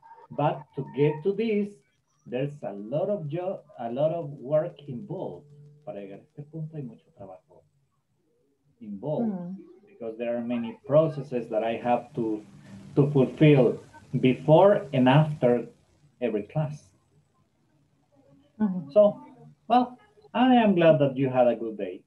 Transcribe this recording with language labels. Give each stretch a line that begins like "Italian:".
English: But to get to this, there's a lot of job, a lot of work involved.
Spanish: Para llegar a este punto hay mucho trabajo involved.
English: Because there are many processes that I have to fulfill before and after every class. So, well, I am glad that you had a good day.